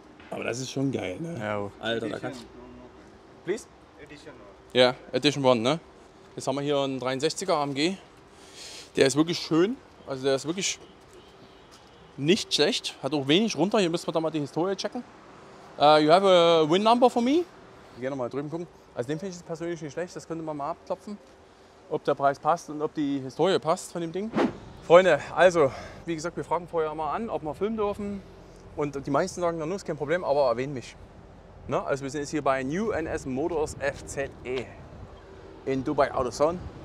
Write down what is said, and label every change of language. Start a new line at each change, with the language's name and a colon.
German: Aber das ist schon geil, ne? Ja, Alter, da kannst du. Please? Edition 1. Ja, Edition 1, ne? Jetzt haben wir hier einen 63er AMG. Der ist wirklich schön. Also der ist wirklich nicht schlecht, hat auch wenig runter, hier müssen wir dann mal die Historie checken.
English: You have a win number for me.
German: Ich gehe nochmal drüben gucken. Also den finde ich persönlich nicht schlecht, das könnte man mal abklopfen, ob der Preis passt und ob die Historie passt von dem Ding. Freunde, also wie gesagt, wir fragen vorher mal an, ob wir filmen dürfen. Und die meisten sagen, dann ist kein Problem, aber erwähn mich. Na, also wir sind jetzt hier bei New NS Motors FZE in Dubai AutoZone.